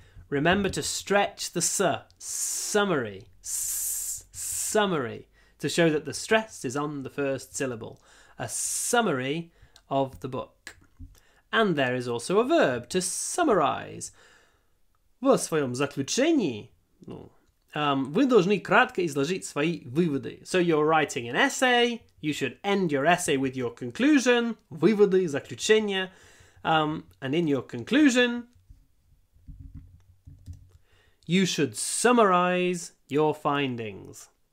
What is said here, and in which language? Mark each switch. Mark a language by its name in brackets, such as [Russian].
[English] Remember to stretch the s, summary, summary, to show that the stress is on the first syllable. A summary of the book. And there is also a verb, to summarize. [Russian] В своем заключении, вы должны кратко изложить свои выводы. [English] So you're writing an essay, you should end your essay with your conclusion, [Russian] выводы, заключение, [English] and in your conclusion, you should summarize your findings.